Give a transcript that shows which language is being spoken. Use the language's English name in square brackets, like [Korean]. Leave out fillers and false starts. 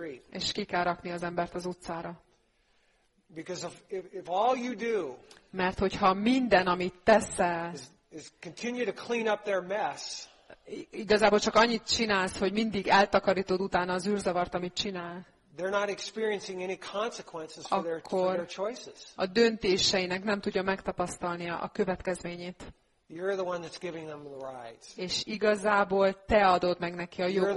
[Hungarian] És ki kell rakni az embert az utcára. [English] Because if all you do, [Hungarian] mert hogyha minden, amit teszel, [English] is continue to clean up their mess. [Hungarian] Igazából csak annyit csinálsz, hogy mindig eltakarítod utána az űrzavart, amit csinál. [English] They're not experiencing any consequences for their choices. [Hungarian] A döntéseinek nem tudja megtapasztalni a következményét. [English] You're the one that's giving them the rides. [Hungarian] És igazából te adod meg neki a jogot ehhez.